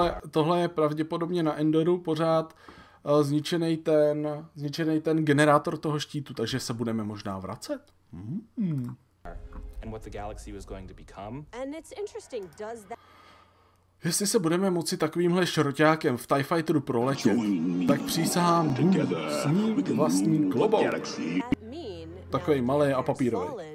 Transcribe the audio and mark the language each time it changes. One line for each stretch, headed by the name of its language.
Czech: Tohle je pravděpodobně na Endoru pořád zničený ten generátor toho štítu, takže se budeme možná vracet.
English: And what the galaxy was going to become. And it's interesting, does that...
Czech: Jestli se budeme moci takovýmhle šroťákem v TIE Fighteru proletět, tak přísahám Bůh s ním vlastním klobouk. Takový malý a papírový.